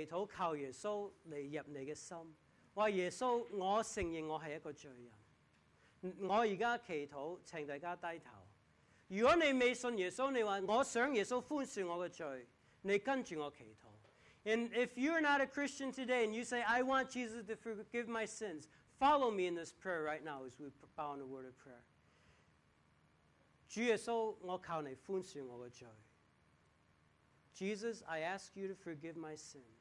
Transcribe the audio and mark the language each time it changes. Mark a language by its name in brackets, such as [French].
[Chinese] 你可以跟着我这样祈祷,靠耶稣来入你的心, 说耶稣,我承认我是一个罪人, 我现在祈祷,请大家低头, 如果你未信耶稣,你说,我想耶稣宽恕我的罪, 你跟着我祈祷。 [English] And if you're not a Christian today and you say, I want Jesus to forgive my sins, follow me in this prayer right now as we bow in a word of prayer. [Chinese] 主耶稣,我求你宽恕我的罪。 [English] Jesus, I ask you to forgive my sins.